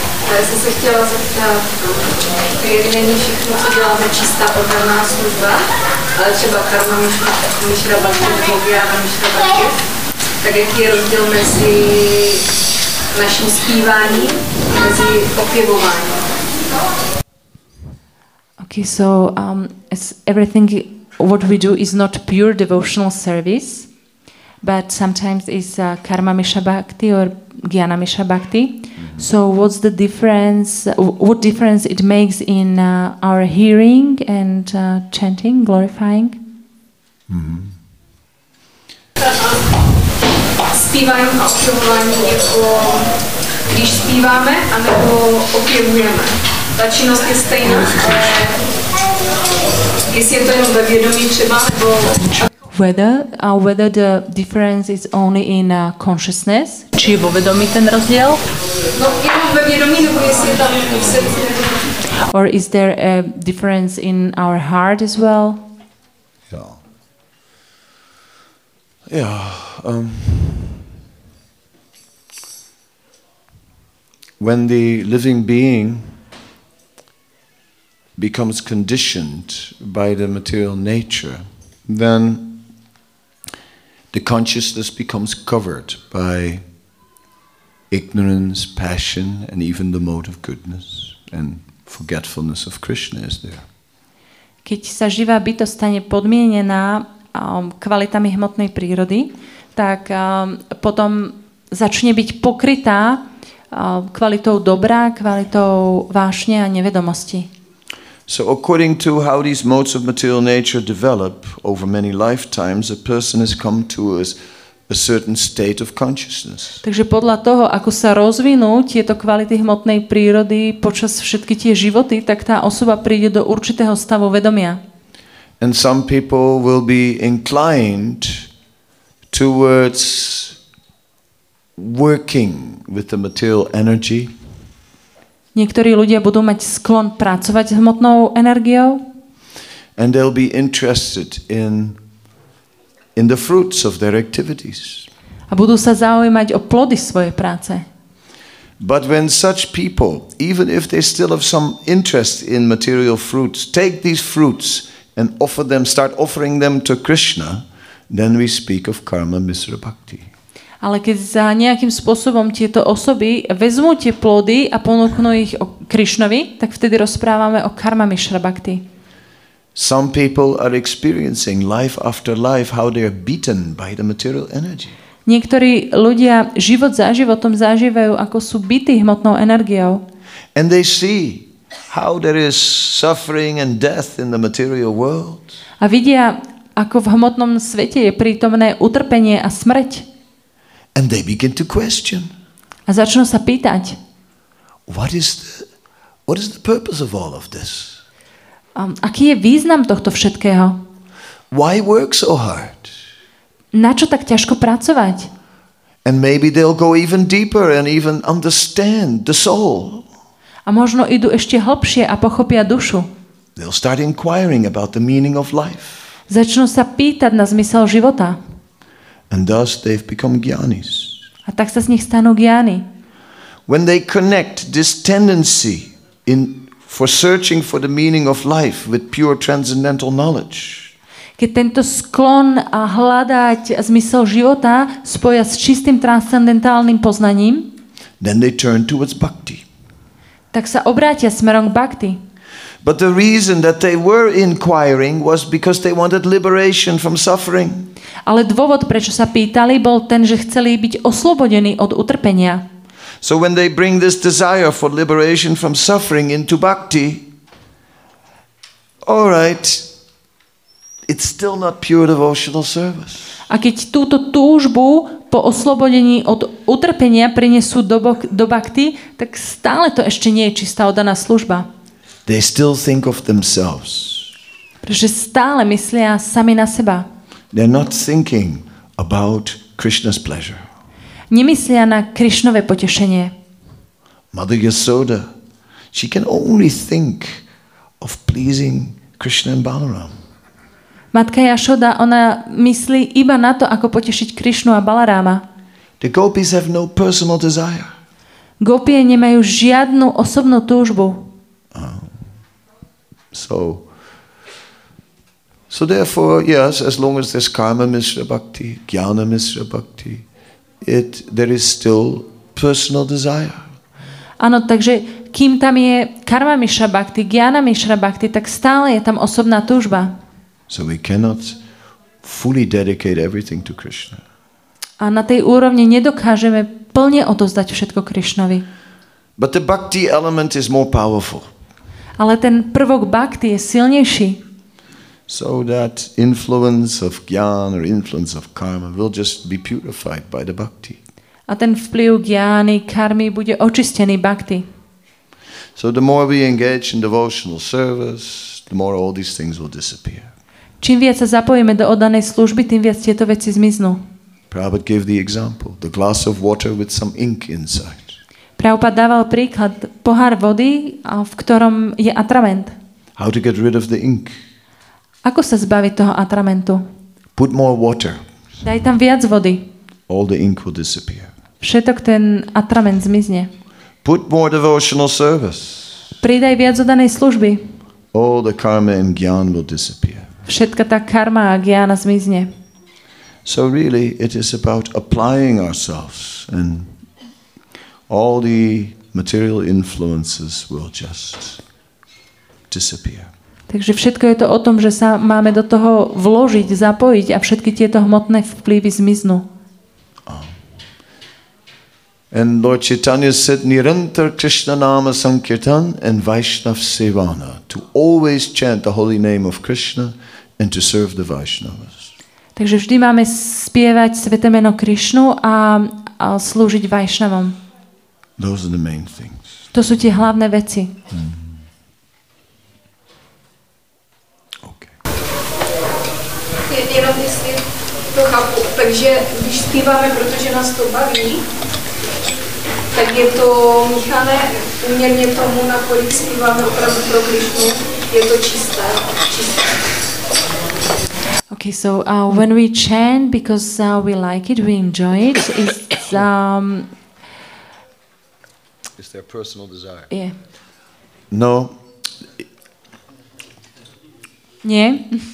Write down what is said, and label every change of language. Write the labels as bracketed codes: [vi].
[cs] Já jsem se chtěla zeptat, když není všechno, co děláme, čistá oddaná služba, ale třeba karma Mishra Bhakti, Bhogyana Mishra Bhakti, tak jaký je rozdíl mezi naším zpíváním a mezi opěvováním? [en] Okay, so everything what we do is not pure devotional service, But sometimes it's karma misha bhakti or jnana misha bhakti. So what's the difference, what difference it makes in our hearing and chanting, glorifying? Mm-hmm. [cs] Zpívání a obdivování je jako, když zpíváme, anebo objevujeme. Ta činnost je stejná, ale jestli je to jenom ve vědomí třeba, nebo... [en] Whether the difference is only in consciousness, [sk] či je vo vedomí ten rozdiel? [cs] No, je to ve vědomí, nebo jestli je tam v srdci. [en] Or is there a difference in our heart as well? Yeah. Yeah. When the living being becomes conditioned by the material nature, then the consciousness becomes covered by ignorance, passion, and even the mode of goodness and forgetfulness of Krishna is there. [sk] Keď sa živá bytosť stane podmienená kvalitami hmotnej prírody, tak potom začne byť pokrytá kvalitou dobra, kvalitou vášne a nevedomosti. [en] So according to how these modes of material nature develop over many lifetimes, a person has come to a certain state of consciousness. [sk] Takže podľa toho, ako sa rozvinú tieto kvality hmotnej prírody počas všetky tie životy, tak tá osoba príde do určitého stavu vedomia. [en] And some people will be inclined towards working with the material energy. [sk] Niektorí ľudia budú mať sklon pracovať s hmotnou energiou. [en] And they'll be interested in the fruits of their activities. [sk] A budú sa zaujímať o plody svojej práce. [en] But when such people, even if they still have some interest in material fruits, take these fruits and offer them, start offering them to Krishna, then we speak of karma misra bhakti. [sk] Ale keď za nejakým spôsobom tieto osoby vezmú tie plody a ponúknú ich o Krišnovi, tak vtedy rozprávame o karma misra bhakti. [en] Some people are experiencing life after life how they are beaten by the material energy. [sk] Niektorí ľudia život za životom zažívajú, ako sú bití hmotnou energiou. [en] And they see how there is suffering and death in the material world. [sk] A vidia, ako v hmotnom svete je prítomné utrpenie a smrť. [en] And they begin to question. [sk] A začnú sa pýtať. [en] What is the purpose of all of this? [sk] Aký je význam tohto všetkého? [en] Why work so hard? [sk] Na čo tak ťažko pracovať? [en] And maybe they'll go even deeper and even understand the soul. [sk] A možno idú ešte hlbšie a pochopia dušu. [en] They'll start inquiring about the meaning of life. [sk] Začnú sa pýtať na zmysel života. [en] And thus they've become gyanis. [sk] A tak sa z nich stanú gyani. [en] When they connect this tendency in for searching for the meaning of life with pure transcendental knowledge. [sk] Keď tento sklon a hľadať zmysel života spoja s čistým transcendentálnym poznaním, [en] then they turn towards bhakti. [sk] Tak sa obrátia smerom k bhakti. [en] But the reason that they were inquiring was because they wanted liberation from suffering. [sk] Ale dôvod, prečo sa pýtali, bol ten, že chceli byť oslobodení od utrpenia. [en] So when they bring this desire for liberation from suffering into bhakti, all right, it's still not pure devotional service. [sk] A keď túto túžbu po oslobodení od utrpenia prinesú do bhakti, tak stále to ešte nie je čistá oddaná služba. [en] They still think of themselves. [sk] Pretože stále myslia sami na seba. [en] They're not thinking about Krishna's pleasure. [sk] Nemyslia na Krišnove potešenie. [en] Mother Yasoda, she can only think of pleasing Krishna and Balaram. [sk] Matka Yasoda, ona myslí iba na to, ako potešiť Krišnu a Balaráma. [en] The gopis have no personal desire. [sk] Gopie nemajú žiadnu osobnú túžbu. [en] So therefore, yes, as long as there's karma misra bhakti, jnana misra bhakti, there is still personal desire. [sk] Áno, takže kým tam je karma misra bhakti, jnana misra bhakti, tak stále je tam osobná túžba. [en] So we cannot fully dedicate everything to Krishna. [sk] A na tej úrovni nedokážeme plne odozdať všetko Krišnovi. [en] But the bhakti element is more powerful. [sk] Ale ten prvok bhakti je silnejší. [en] So that influence of gyan or influence of karma will just be purified by the bhakti. [sk] A ten vplyv gyany, karmy bude očistený bhakti. [en] So the more we engage in devotional service, the more all these things will disappear. [sk] Čím viac sa zapojíme do oddanej služby, tým viac tieto veci zmiznú. [en] Prabhupada gave the example, the glass of water with some ink inside. [sk] Prabhupada dával príklad pohár vody, v ktorom je atrament. [en] How to get rid of the ink? [sk] Ako sa zbaviť toho atramentu? [en] Put more water. [sk] Daj tam viac vody. [en] All the ink will disappear. [sk] Všetok ten atrament zmizne. [en] Put more devotional service. [sk] Pridaj viac oddanej služby. [en] All the karma and gyan will disappear. [sk] Všetka tá karma a gyana zmizne. [en] So really it is about applying ourselves and all the material influences will just disappear. [sk] Takže všetko je to o tom, že sa máme do toho vložiť, zapojiť a všetky tieto hmotné vplyvy zmiznú. [en] And Lord Chaitanya said [sa] nirantar krishna nama sankirtan [en] and vaishnav sevana, to always chant the holy name of Krishna and to serve the vaishnavas. [sk] Takže vždy máme spievať sväté meno Krišnu a slúžiť Vaishnavom. [en] Those are the main things. [sk] To sú tie hlavné veci. Mm-hmm. [en] Okay. [cs] Jenom, jestli to chápu, takže když zpíváme, protože nás to baví, tak je to, Michale, uměrně tomu, na kolik zpíváme opravdu pro Krišnu, je to čisté. [en] Okay, so when we chant because we like it, we enjoy it, it's their personal desire. Yeah. [cs] No. [sk] Nie.